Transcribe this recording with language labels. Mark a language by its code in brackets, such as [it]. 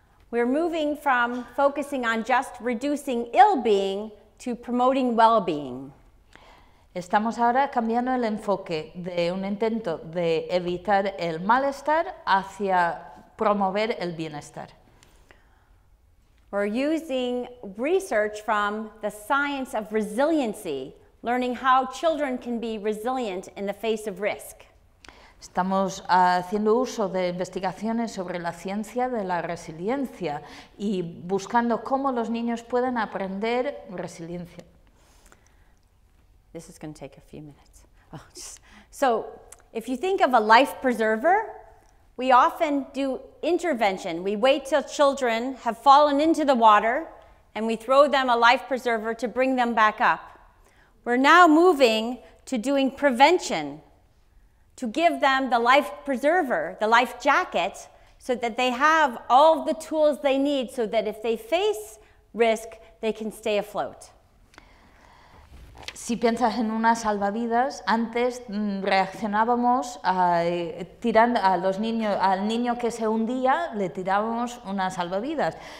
[en] We're moving from focusing on just reducing ill-being to promoting well-being. [es] Estamos ahora cambiando el enfoque de un intento de evitar el malestar hacia promover el bienestar. [en] We're using research from the science of resiliency, learning how children can be resilient in the face of risk. [es] Estamos haciendo uso de investigaciones sobre la ciencia de la resiliencia y buscando cómo los niños pueden aprender resiliencia. [en] This is going to take a few minutes. So, if you think of a life preserver, we often do intervention. We wait till children have fallen into the water and we throw them a life preserver to bring them back up. We're now moving to doing prevention, to give them the life preserver, the life jacket, so that they have all the tools they need so that if they face risk, they can stay afloat. [es] Si piensas en una salvavidas, antes reaccionábamos tirando a los niños, al niño que se hundía, le tirábamos una salvavidas.